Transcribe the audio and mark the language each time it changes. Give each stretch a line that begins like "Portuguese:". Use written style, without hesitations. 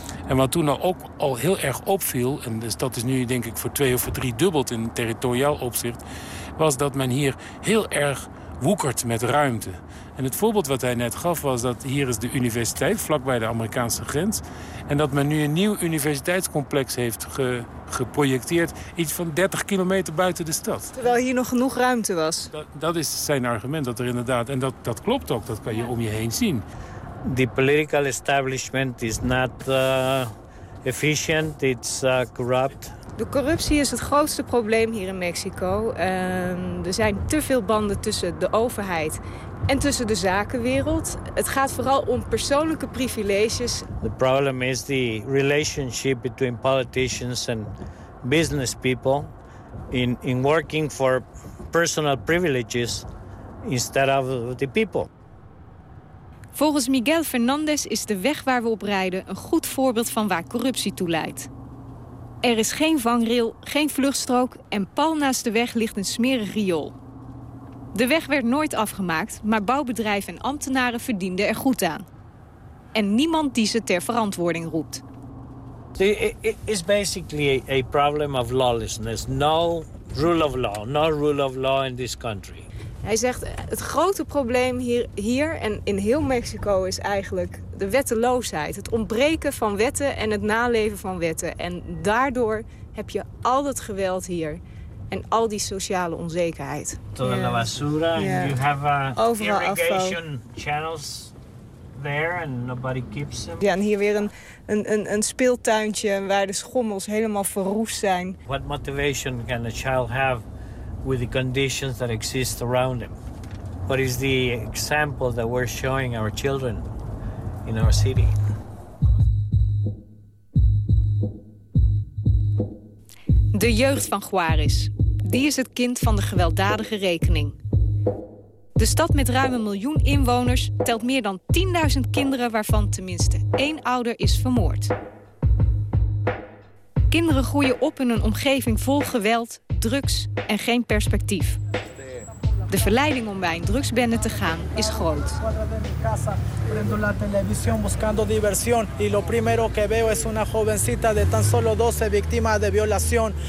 Dutch: En wat toen ook al heel erg opviel, en dus dat is nu denk ik voor 2 of 3 dubbeld in territoriaal opzicht, was dat men hier heel erg woekert met ruimte. En het voorbeeld wat hij net gaf was dat hier is de universiteit vlakbij de Amerikaanse grens. En dat men nu een nieuw universiteitscomplex heeft geprojecteerd. Iets van 30 kilometer buiten de stad. Terwijl hier nog genoeg ruimte was. Dat is zijn argument. Dat er inderdaad, en dat klopt ook. Dat kan je om je heen zien.
English: The political establishment is not efficient. It's corrupt.
Dutch: De corruptie is het grootste probleem hier in Mexico. Er zijn te veel banden tussen de overheid en tussen de zakenwereld. Het gaat vooral om persoonlijke privileges.
English: The problem is the relationship between politicians and business people in working for personal privileges instead of the people.
Dutch: Volgens Miguel Fernandez is de weg waar we op rijden een goed voorbeeld van waar corruptie toe leidt. Er is geen vangrail, geen vluchtstrook en pal naast de weg ligt een smerig riool. De weg werd nooit afgemaakt, maar bouwbedrijven en ambtenaren verdienden er goed aan. En niemand die ze ter verantwoording roept.
English: It is basically a problem of lawlessness. No rule of law. No rule of law in this country.
Dutch: Hij zegt, het grote probleem hier en in heel Mexico is eigenlijk de wetteloosheid. Het ontbreken van wetten en het naleven van wetten. En daardoor heb je al dat geweld hier en al die sociale onzekerheid.
Spanish: Toda la basura.
English: Yeah. You have overal irrigation channels there and nobody keeps them.
Dutch: Ja, en hier weer een speeltuintje waar de schommels helemaal verroest zijn.
English: What motivation can a child have with the conditions that exist around them? What is the example that we're showing our children in our city?
Dutch: De jeugd van Juárez. Die is het kind van de gewelddadige rekening. De stad met ruim 1 miljoen inwoners telt meer dan 10.000 kinderen, waarvan tenminste 1 ouder is vermoord. Kinderen groeien op in een omgeving vol geweld, drugs en geen perspectief. De verleiding om bij een drugsbende te gaan is groot.
Spanish: Prendo la televisión buscando diversión y lo primero que veo es una jovencita de tan solo 12 víctima de violación.